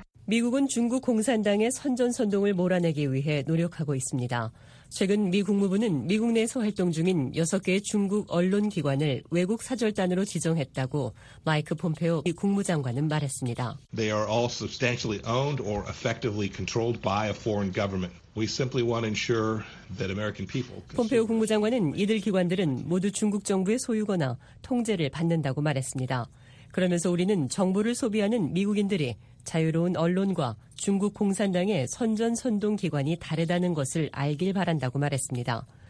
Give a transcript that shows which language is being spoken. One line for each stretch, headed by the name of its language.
Korean: 미국은 중국 공산당의 선전선동을 몰아내기 위해 노력하고 있습니다. 최근 미 국무부는 미국 내에서 활동 중인 6개의 중국 언론기관을 외국 사절단으로 지정했다고 마이크 폼페오 미 국무장관은 말했습니다.
English: They are all substantially owned or effectively controlled by a foreign government. We simply want to ensure that American people.
Korean: 폼페오 국무장관은 이들 기관들은 모두 중국 정부의 소유거나 통제를 받는다고 말했습니다. 그러면서 우리는 정부를 소비하는 미국인들이 자유로운 언론과 중국 공산당의 선전선동 기관이 다르다는 것을 알길 바란다고 말했습니다.